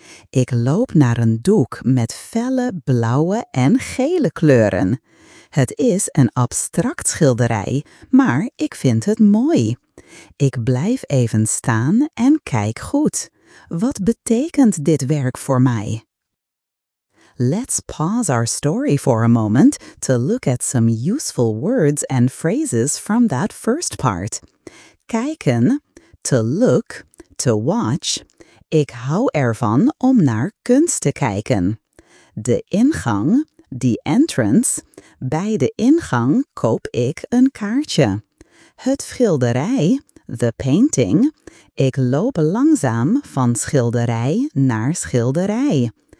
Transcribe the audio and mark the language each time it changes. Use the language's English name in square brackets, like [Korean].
[Dutch] Ik loop naar een doek met felle blauwe en gele kleuren. Het is een abstract schilderij, maar ik vind het mooi. Ik blijf even staan en kijk goed. Wat betekent dit werk voor mij? [English] Let's pause our story for a moment to look at some useful words and phrases from that first part. [Dutch] Kijken, [English] to look, to watch. [Dutch] Ik hou ervan om naar kunst te kijken. De ingang, [English] the entrance. [Dutch] Bij de ingang koop ik een kaartje. Het schilderij, [English] the painting. [Dutch] Ik loop langzaam van schilderij naar schilderij.